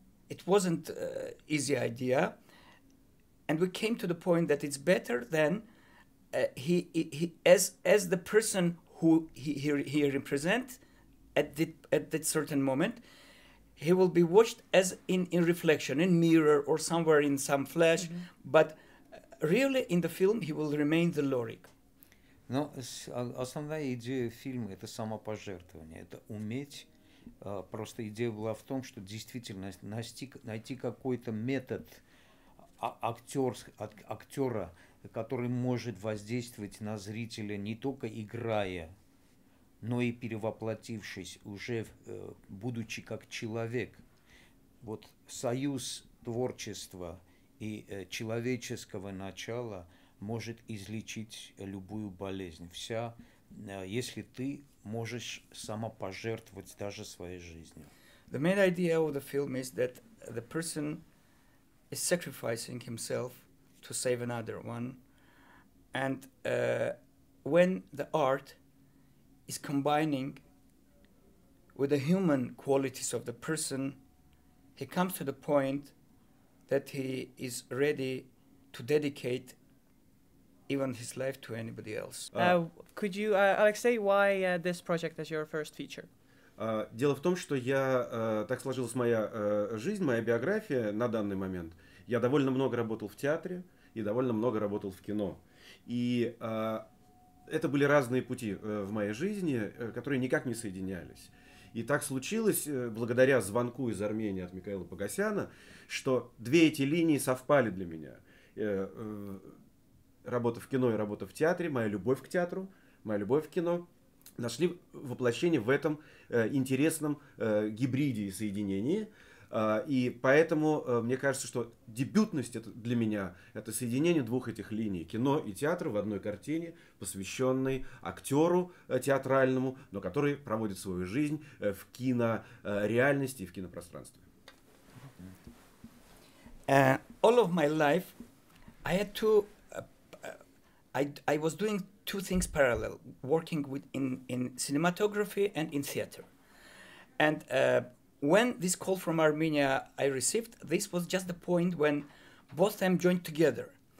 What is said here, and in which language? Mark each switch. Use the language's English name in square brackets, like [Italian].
[English] It wasn't easy idea, and we came to the point that it's better than he as the person who he represents. At that certain moment, he will be watched as in reflection, in mirror, or somewhere in some flesh. Mm-hmm. But really, in the film, he will remain the Lorik. [Russian] Но основная идея фильма – это самопожертвование, это уметь. Просто идея была в том, что действительно найти какой-то метод актера, который может воздействовать на зрителя не только играя, но и перевоплотившись уже, будучи как человек. Вот союз творчества и человеческого начала может излечить любую болезнь. Вся, если ты можешь самопожертвовать даже своей жизнью. [English] The main idea of the film is that the person is sacrificing himself to save another one. And when the art is combining with the human qualities of the person, he comes to the point that he is ready to dedicate even his life to anybody else. Could you, Alexey, why this project as your first feature? [Russian] Дело в том, что я так сложилась моя жизнь, моя биография на данный момент. Я довольно много работал в театре и довольно много работал в кино. И это были разные пути в моей жизни, которые никак не соединялись. И так случилось, благодаря звонку из Армении от Михаила Погосяна, что две эти линии совпали для меня. Работа в кино и работа в театре, моя любовь к театру, моя любовь к кино нашли воплощение в этом интересном гибриде и соединении. И поэтому мне кажется, что дебютность это для меня – это соединение двух этих линий – кино и театр в одной картине, посвященной актеру театральному, но который проводит свою жизнь в кинореальности и в кинопространстве. [English] All of my life I had to, I was doing two things parallel, working with in cinematography and in theater. And when this call from Armenia I received, this was just the point when both them joined together.